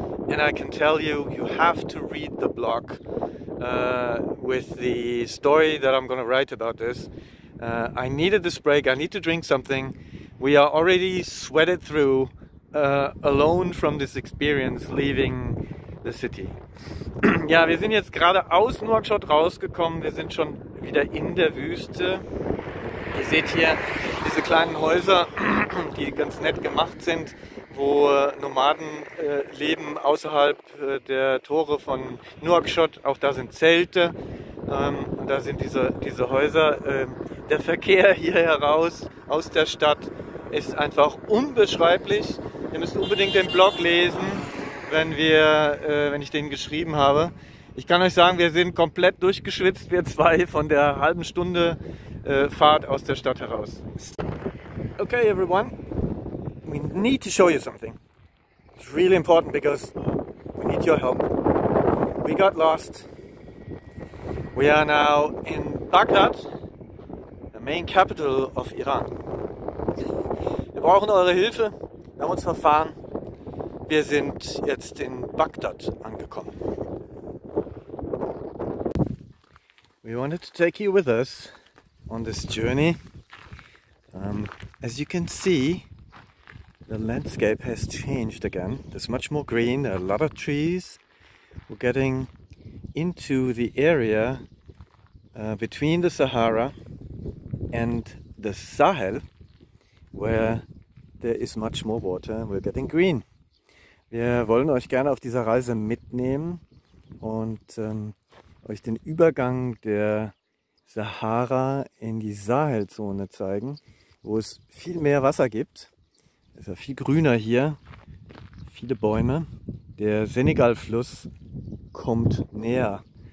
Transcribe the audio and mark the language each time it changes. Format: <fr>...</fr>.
<en>And I can tell you, you have to read the blog with the story that I'm going to write about this. I needed this break. I need to drink something. We are already sweated through alone from this experience leaving the city.</en> <de>Ja, wir sind jetzt gerade aus Nouakchott rausgekommen. Wir sind schon wieder in der Wüste. Ihr seht hier diese kleinen Häuser, die ganz nett gemacht sind, wo Nomaden leben außerhalb der Tore von Nouakchott. Auch da sind Zelte, da sind diese Häuser. Der Verkehr hier heraus aus der Stadt ist einfach unbeschreiblich. Ihr müsst unbedingt den Blog lesen, wenn ich den geschrieben habe. Ich kann euch sagen, wir sind komplett durchgeschwitzt, wir zwei, von der halben Stunde Fahrt aus der Stadt heraus.</de> <en>Okay, everyone. We need to show you something. It's really important because we need your help. We got lost. We are now in Baghdad, the main capital of Iran.</en> <de>Wir brauchen eure Hilfe. Wir haben uns verfahren. Wir sind jetzt in Baghdad angekommen.</de> <en>We wanted to take you with us on this journey. As you can see, the landscape has changed again. There's much more green, a lot of trees. We're getting into the area between the Sahara and the Sahel, where there is much more water and we're getting green.</en> <de>Wir wollen euch gerne auf dieser Reise mitnehmen und euch den Übergang der Sahara in die Sahelzone zeigen, wo es viel mehr Wasser gibt. Es ist ja viel grüner hier, viele Bäume. Der Senegal-Fluss kommt näher.</de>